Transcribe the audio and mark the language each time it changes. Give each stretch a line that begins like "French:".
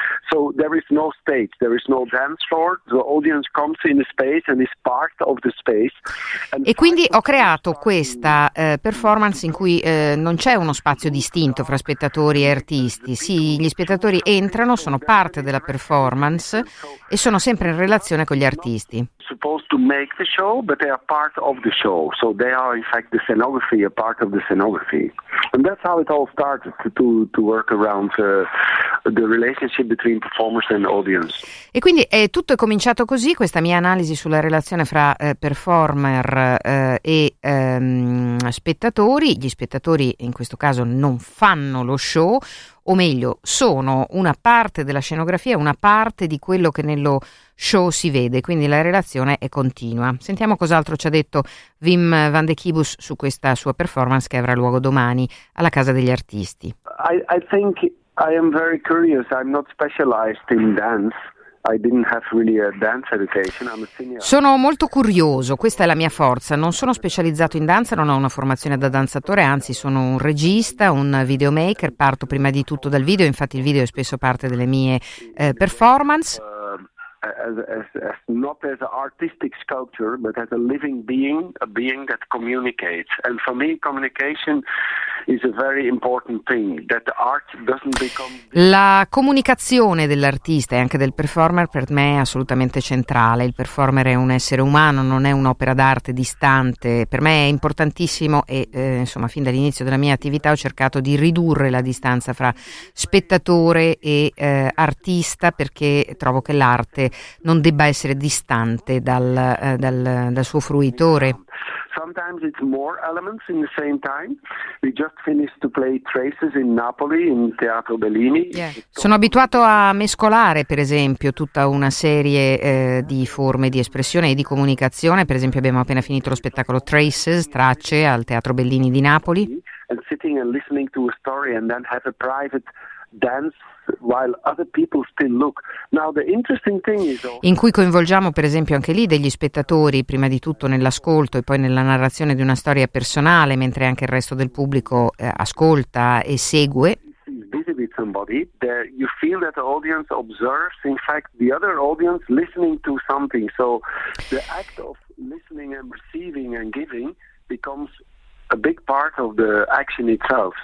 English: So there is no stage, there is no dance floor, the audience comes in the space and is part of the space.
Italian: E quindi ho creato questa performance in cui non c'è uno spazio distinto fra spettatori e artisti. Sì, gli spettatori entrano, sono parte della performance e sono sempre in relazione con gli artisti.
English: Supposed to make the show, but they are part of the show. So they are in fact the scenography, a part of the scenography. And that's how it all started to work around the relationship between performers and audience.
Italian: E quindi tutto è cominciato così, questa mia analisi sulla relazione fra performer e spettatori. Gli spettatori in questo caso non fanno lo show, o meglio, sono una parte della scenografia, una parte di quello che nello show si vede, quindi la relazione è continua. Sentiamo cos'altro ci ha detto Wim van de Kibus su questa sua performance che avrà luogo domani alla Casa degli Artisti.
English: I think I am very curious. I'm not specialized in dance. I didn't have really a dance education. I'm a senior.
Italian: Sono molto curioso, questa è la mia forza. Non sono specializzato in danza, non ho una formazione da danzatore, anzi sono un regista, un videomaker, parto prima di tutto dal video, infatti il video è spesso parte delle mie performance.
English: As not as an artistic sculpture, but as a living being, a being that communicates. And for me, communication is a very important thing, that the art doesn't become...
Italian: La comunicazione dell'artista e anche del performer per me è assolutamente centrale. Il performer è un essere umano, non è un'opera d'arte distante. Per me è importantissimo e, insomma, fin dall'inizio della mia attività ho cercato di ridurre la distanza fra spettatore e artista, perché trovo che l'arte non debba essere distante dal suo fruitore.
English: Sometimes it's more elements in the same time. We just finished to play Traces in Napoli in Teatro Bellini. Yeah.
Italian: Sono abituato a mescolare, per esempio, tutta una serie di forme di espressione e di comunicazione. Per esempio, abbiamo appena finito lo spettacolo Traces, Tracce, al Teatro Bellini di Napoli.
English: And sitting and listening to a story and then have a private dance while other people still look. Now the interesting thing is,
Italian: in cui coinvolgiamo per esempio anche lì degli spettatori, prima di tutto nell'ascolto e poi nella narrazione di una storia personale, mentre anche il resto del pubblico ascolta e segue.
English: With somebody, there you feel that the audience observes, in fact, the other audience listening to something. So the act of listening and receiving and giving becomes a big part of the action itself.